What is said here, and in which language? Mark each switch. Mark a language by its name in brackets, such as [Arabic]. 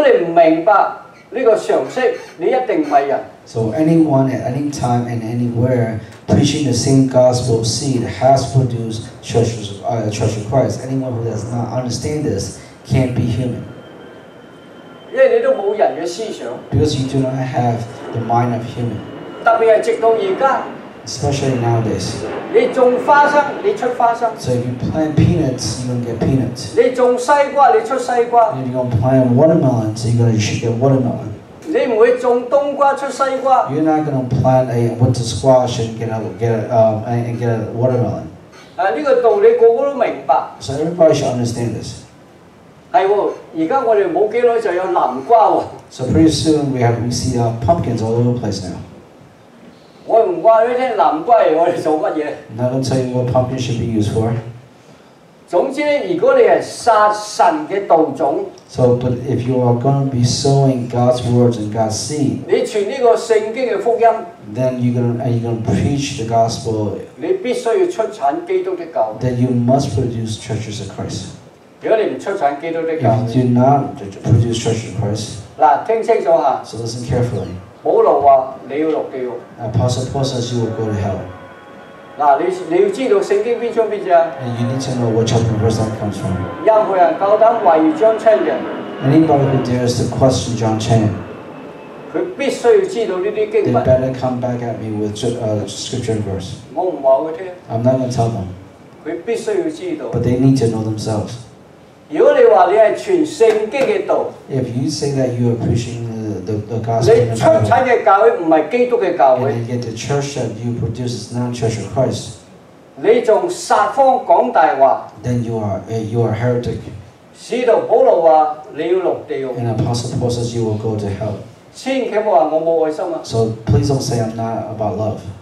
[Cantonese] 任何人、任何时间、任何地方，传同一个道种，佢必定出基督的教会。如果你唔明白呢个常识，你一定唔系人。 [English] So anyone at any time and anywhere preaching the same gospel seed has produced Church of Christ. Anyone who does not understand this can't be human. [Cantonese] 因为你都冇人嘅思想。 [English] Because you do not have the mind of human. [Cantonese] 特别系直到而家。 [English] Especially nowadays. [Cantonese] 你种花生，你出花生。 [English] So if you plant peanuts, you're going to get peanuts. [Cantonese] 你种西瓜，你出西瓜。 [English] If you're going to plant watermelon, so you're going to get watermelon. [Cantonese] 你唔会种冬瓜出西瓜。 [English] You're not going to plant a winter squash and get a watermelon. [Cantonese] 呢个道理个个都明白。 [English] So everybody should understand this. [Cantonese] 系喎，而家我哋冇几耐就有南瓜喎。 [English] So pretty soon we see pumpkins all over the place now. [Cantonese] 我唔话呢啲南瓜系我哋做乜嘢。 [English] Not going to tell you what pumpkins should be used for. [Cantonese] 总之，如果你系撒神嘅道种。 [English] So, but if you are going to be sowing God's words and God's seed, [Cantonese] 你传呢个圣经嘅福音, [English] then you're going to preach the gospel. [Cantonese] 你必须要出产基督的教会, [English] then you must produce churches of Christ. [Cantonese] 如果你唔出产基督的教会, [English] if you do not produce churches of Christ, [Cantonese] 嗱，听清楚吓, [English] so listen carefully. [Cantonese] 保罗话你要落地狱, [English] Apostle Paul says you will go to hell. [Cantonese] 嗱，你要知道聖經邊章邊章。 [English] And you need to know what chapter verse that comes from. [Cantonese] 任何人夠膽懷疑張青人。 [English] Anybody who dares to question John Chan. [Cantonese] 佢必須要知道呢啲經文。 [English] They better come back at me with scripture and verse. [Cantonese] 我唔話佢聽。 [English] I'm not going to tell them. [Cantonese] 佢必須要知道。 [English] But they need to know themselves. [Cantonese] 如果你話你係傳聖經嘅道。 [English] If you say that you are preaching the gospel. [Cantonese] 你出產嘅教會唔係基督嘅教會。 [English] And yet the church that you produce is not Church of Christ. [Cantonese] 你仲撒謊講大話。 [English] Then you are a heretic. [Cantonese] 使徒保羅話你要落地獄。 [English] And Apostle Paul says you will go to hell. [Cantonese] 千祈唔好話我冇愛心啊。 [English] So please don't say I'm not about love.